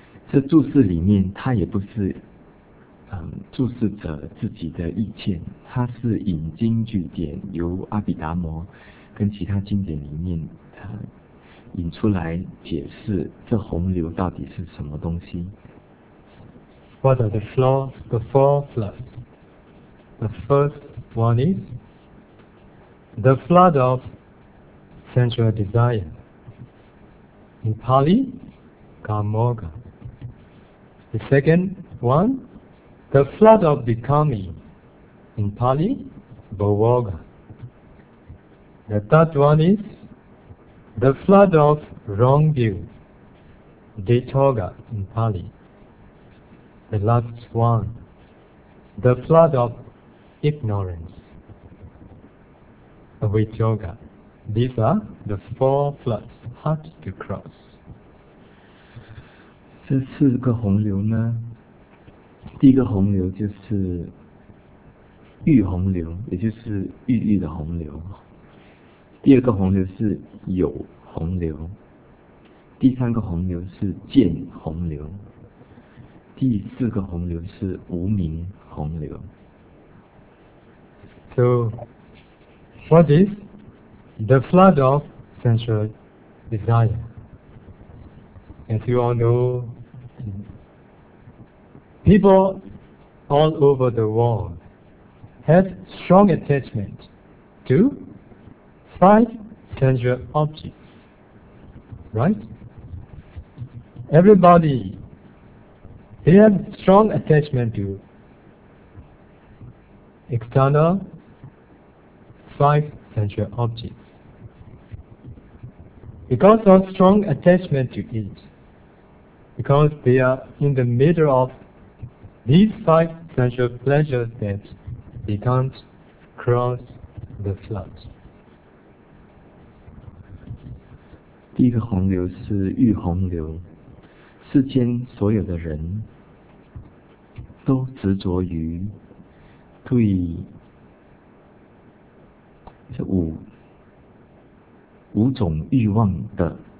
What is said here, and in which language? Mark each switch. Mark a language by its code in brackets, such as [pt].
[zh] 这注释里面，它也不是，注释者自己的意见，它是引经据典，由阿毗达摩跟其他经典里面，引出来解释这洪流到底是什么东西。 [en] What are the flaws? The four floods. The first one is the flood of sensual desire. In Pali, Kamoga. The second one, the flood of becoming. In Pali, Bhavoga. The third one is the flood of wrong view. Ditoga in Pali. The last one, the flood of ignorance, avijoga. These are the four floods hard to cross. [zh] 这四个洪流呢，第一个洪流就是欲洪流，也就是欲欲的洪流。第二个洪流是有洪流。第三个洪流是见洪流。第四个洪流是无名洪流。 [en] So, what is the flood of sensual desire? As you all know, people all over the world have strong attachment to five sensual objects, right? Everybody they have strong attachment to external five sensual objects. Because of strong attachment to it, because they are in the middle of these five sensual pleasures that they can't cross the flood. [zh] 第一个洪流是欲洪流，世间所有的人都执着于对这五种欲望的